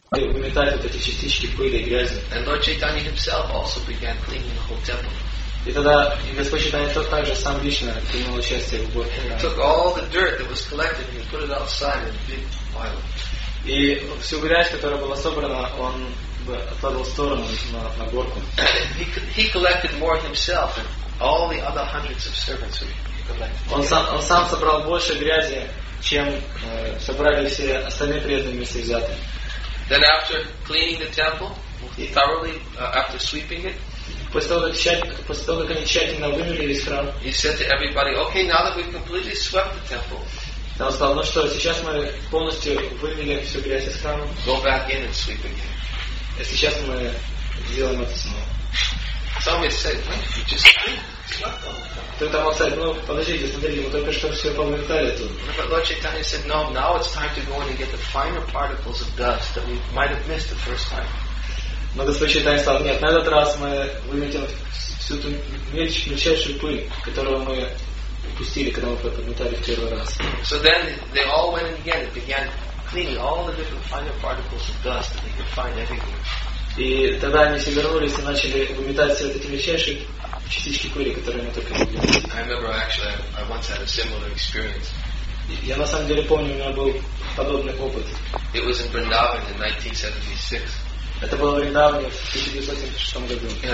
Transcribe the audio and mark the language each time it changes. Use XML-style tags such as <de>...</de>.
<ru>Выметать вот эти частички пыли и грязи.</ru> <en>And Lord Chaitanya himself also began cleaning the whole temple.</en> <ru>И тогда Господь Чайтанья тот также сам лично принял участие в уборке.</ru> <en>He took all the dirt that was collected and he put it outside in a big pile.</en> <ru>И всю грязь, которая была собрана, он отложил в сторону на горку.</ru> <en>He collected more himself than all the other hundreds of servants who collected.</en> <ru>Он сам собрал больше грязи, чем собрали все остальные преданные вместе взятые.</ru> <en>Then after cleaning the temple thoroughly, after sweeping it,</en> <ru>после того как они тщательно вымыли весь храм,</ru> <en>he said to everybody, okay, now that we've completely swept the temple.</en> <ru>Там сказал, ну что, сейчас мы полностью вымели всю грязь из храма.</ru> <en>Go back in and sweep again.</en> <ru>И сейчас мы сделаем это снова.</ru> <en>Some said, you just clean.</en> <ru>Кто-то мог сказать, ну подождите, смотрите, мы только что все помытали тут.</ru> <en>But Lord Chaitanya said, no, now it's time to go in and get the finer particles of dust that we might have missed the first time.</en> <ru>Но Господь Чайтанья сказал, нет, на этот раз мы выметим всю ту мельчайшую пыль, которую мы упустили, когда мы подметали в первый раз.</ru> <en>So then they all went in again and began cleaning all the different finer particles of dust that they could find everywhere.</en> <ru>И тогда они все вернулись и начали выметать все эти мельчайшие частички пыли, которые мы только видели.</ru> <en>I remember actually I once had a similar experience.</en> <ru>Я на самом деле помню, у меня был подобный опыт.</ru> <en>It was in Vrindavan in 1976.</en> <ru>Это было в Вриндаване в 1976 году.</ru>